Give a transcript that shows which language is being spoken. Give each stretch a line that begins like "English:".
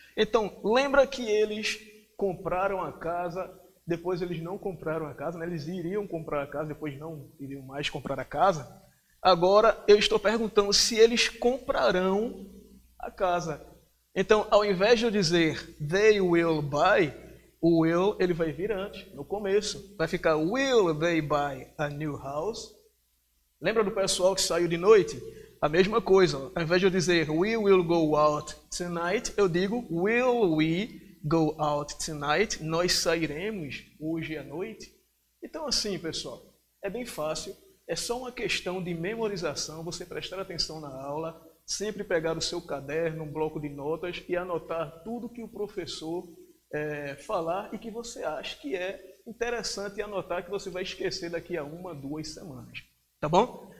Portuguese: Então, lembra que eles compraram a casa, depois eles não compraram a casa, né? Eles iriam comprar a casa, depois não iriam mais comprar a casa. Agora, eu estou perguntando se eles comprarão a casa. Então, ao invés de eu dizer they will buy, o will ele vai vir antes, no começo.
English: Vai ficar will they buy a new house?
Portuguese: Lembra do pessoal que saiu de noite? A mesma coisa, ao invés de eu dizer we will go out tonight, eu digo will we go out tonight? Nós sairemos hoje à noite? Então assim, pessoal, é bem fácil, é só uma questão de memorização, você prestar atenção na aula, sempre pegar o seu caderno, um bloco de notas e anotar tudo que o professor falar e que você acha que é interessante anotar, que você vai esquecer daqui a uma, duas semanas. Tá bom?